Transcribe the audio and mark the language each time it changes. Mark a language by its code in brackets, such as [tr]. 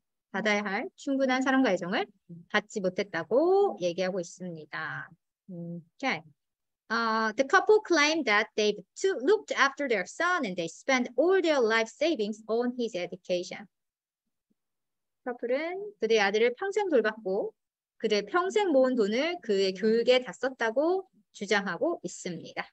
[ko] 받아야 할 충분한 사랑과 애정을 받지 못했다고 얘기하고 있습니다. [en] Okay. The couple claimed that they've looked after their son and they spent all their life savings on his education. [ko] 커플은 그들의 아들을 평생 돌봤고 그들 평생 모은 돈을 그의 교육에 다 썼다고 주장하고 있습니다.